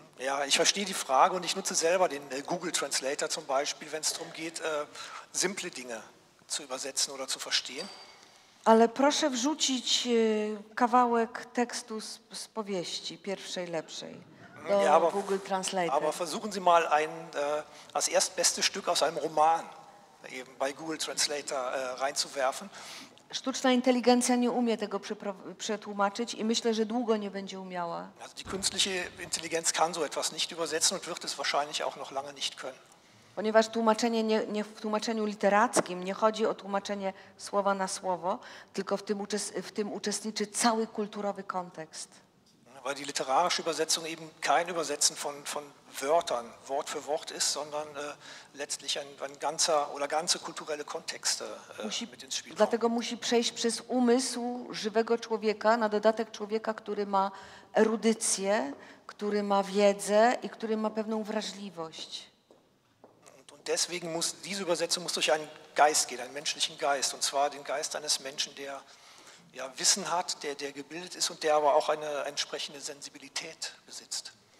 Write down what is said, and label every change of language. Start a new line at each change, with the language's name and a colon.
German: Ja, ich verstehe die Frage und ich nutze selber den Google Translator zum Beispiel, wenn es darum geht, simple Dinge zu übersetzen oder zu verstehen.
Polish: Ale proszę wrzucić kawałek tekstu z powieści, pierwszej, lepszej.
German: Ja, aber versuchen Sie mal ein als erstbeste Stück aus einem Roman eben bei Google Translator reinzuwerfen.
Polish: Sztuczna Intelligencja nie umie tego przetłumaczyć i myślę, że długo nie będzie umiała.
German: Also die künstliche Intelligenz kann so etwas nicht übersetzen und wird es wahrscheinlich auch noch lange nicht können.
Polish: Ponieważ tłumaczenie nie w tłumaczeniu literackim nie chodzi o tłumaczenie słowa na słowo, tylko w tym uczestniczy cały kulturowy kontekst.
German: weil die literarische Übersetzung eben kein Übersetzen von Wörtern, Wort für Wort ist, sondern letztlich ein ganzer oder ganze kulturelle Kontexte mit ins Spiel
Polish: dlatego
German: kommen.
Polish: Musi przejść przez umysł żywego człowieka, na dodatek człowieka, który ma erudycję, który ma wiedzę i który ma pewną wrażliwość.
German: Und deswegen muss diese Übersetzung muss durch einen Geist gehen, einen menschlichen Geist, und zwar den Geist eines Menschen, der ja, Wissen hat, der gebildet ist und der aber auch eine entsprechende Sensibilität besitzt.